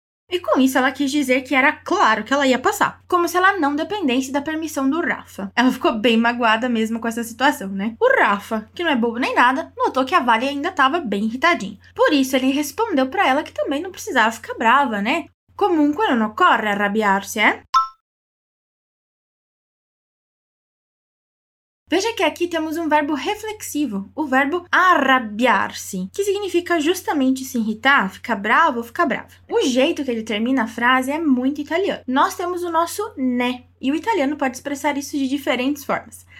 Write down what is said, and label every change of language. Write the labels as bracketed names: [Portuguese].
[Portuguese] E com isso, ela quis dizer que era claro que ela ia passar. Como se ela não dependesse da permissão do Rafa. Ela ficou bem magoada mesmo com essa situação, né? O Rafa, que não é bobo nem nada, notou que a Vale ainda estava bem irritadinha. Por isso, ele respondeu pra ela que também não precisava ficar brava, né? [Italian] Comunque non occorre arrabbiarsi, eh? [Portuguese] Veja que aqui temos um verbo reflexivo, o verbo arrabiar-se, que significa justamente se irritar, ficar bravo ou ficar bravo. O jeito que ele termina a frase é muito italiano. Nós temos o nosso né, e o italiano pode expressar isso de diferentes formas.